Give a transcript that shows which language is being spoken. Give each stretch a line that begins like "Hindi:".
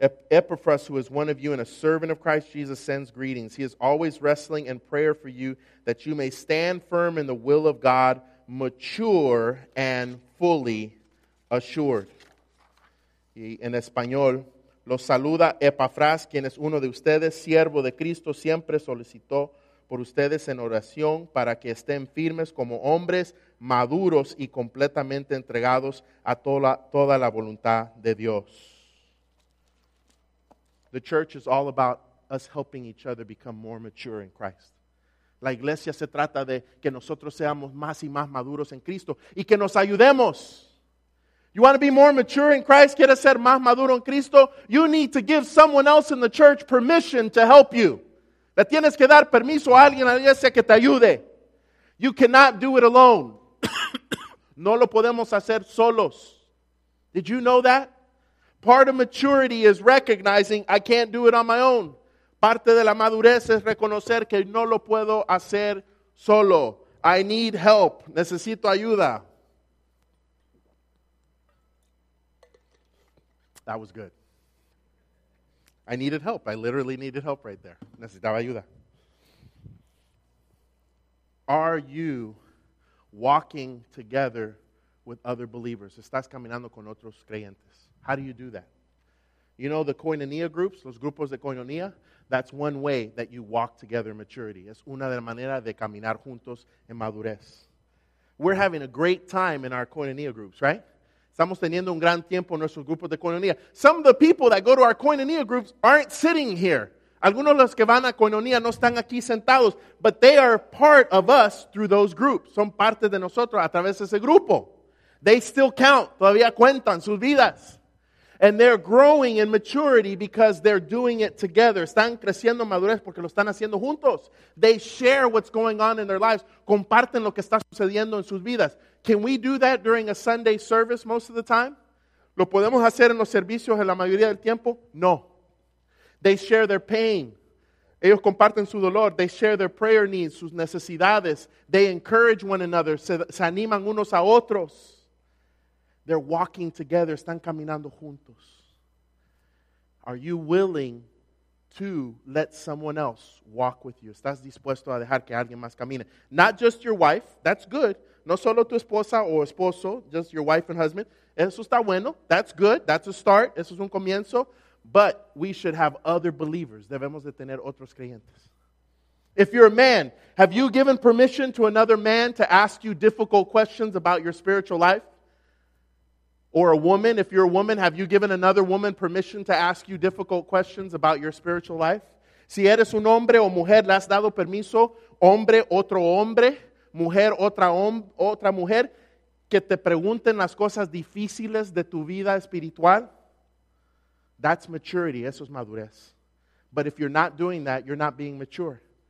English: Epaphras, who is one of you and a servant of Christ Jesus, sends greetings. He is always wrestling in prayer for you that you may stand firm in the will of God, mature and fully assured.
Spanish: Y en español, los saluda Epafras, quien es uno de ustedes, siervo de Cristo, siempre solicitó por ustedes en oración para que estén firmes como hombres maduros y completamente entregados a toda la voluntad de Dios.
English: The church is all about us helping each other become more mature in Christ.
Spanish: La iglesia se trata de que nosotros seamos más y más maduros en Cristo y que nos ayudemos.
English: You want to be more mature in Christ?
Spanish: ¿Quieres ser más maduro en Cristo?
English: You need to give someone else in the church permission to help you.
Spanish: Le tienes que dar permiso a alguien en la iglesia que te ayude.
English: You cannot do it alone.
Spanish: No lo podemos hacer solos.
English: Did you know that? Part of maturity is recognizing I can't do it on my own.
Spanish: Parte de la madurez es reconocer que no lo puedo hacer solo.
English: I need help.
Spanish: Necesito ayuda.
English: That was good. I needed help. I literally needed help right there.
Spanish: Necesitaba ayuda.
English: Are you walking together with other believers?
Spanish: ¿Estás caminando con otros creyentes?
English: How do you do that? You know the koinonia groups,
Spanish: los grupos de koinonia?
English: That's one way that you walk together in maturity.
Spanish: Es una de las maneras de caminar juntos en madurez.
English: We're having a great time in our koinonia groups, right?
Spanish: Estamos teniendo un gran tiempo en nuestros grupos de koinonia.
English: Some of the people that go to our koinonia groups aren't sitting here.
Spanish: Algunos de los que van a koinonia no están aquí sentados,
English: but they are part of us through those groups.
Spanish: Son parte de nosotros a través de ese grupo.
English: They still count.
Spanish: Todavía cuentan sus vidas.
English: And they're growing in maturity because they're doing it together.
Spanish: Están creciendo madurez porque lo están haciendo juntos.
English: They share what's going on in their lives.
Spanish: Comparten lo que está sucediendo en sus vidas.
English: Can we do that during a Sunday service most of the time?
Spanish: ¿Lo podemos hacer en los servicios en la mayoría del tiempo?
English: No. They share their pain.
Spanish: Ellos comparten su dolor.
English: They share their prayer needs,
Spanish: sus necesidades.
English: They encourage one another.
Spanish: Se animan unos a otros.
English: They're walking together.
Spanish: Están caminando juntos.
English: Are you willing to let someone else walk with you?
Spanish: ¿Estás dispuesto a dejar que alguien más camine?
English: Not just your wife. That's good.
Spanish: No solo tu esposa o esposo,
English: just your wife and husband.
Spanish: Eso está bueno.
English: That's good. That's a start.
Spanish: Eso es un comienzo.
English: But we should have other believers.
Spanish: Debemos de tener otros creyentes.
English: If you're a man, have you given permission to another man to ask you difficult questions about your spiritual life? Or a woman, if you're a woman, have you given another woman permission to ask you difficult questions about your spiritual life?
Spanish: Si eres un hombre o mujer, ¿le has dado permiso? Hombre, otro hombre. Mujer, otra mujer. Que te pregunten las cosas difíciles de tu vida espiritual.
English: That's maturity.
Spanish: Eso es madurez.
English: But if you're not doing that, you're not being mature.